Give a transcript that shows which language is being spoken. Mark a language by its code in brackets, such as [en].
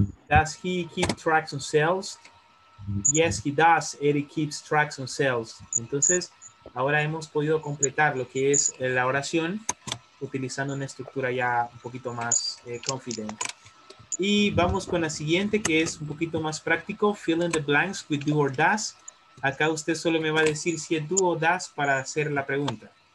[en] Does he keep tracks on sales? Yes, he does. Eric keeps tracks on sales. [es] Entonces, ahora hemos podido completar lo que es la oración utilizando una estructura ya un poquito más confident. Y vamos con la siguiente, que es un poquito más práctico. [en] Fill in the blanks with do or does. [es] Acá usted solo me va a decir si es do o does para hacer la pregunta.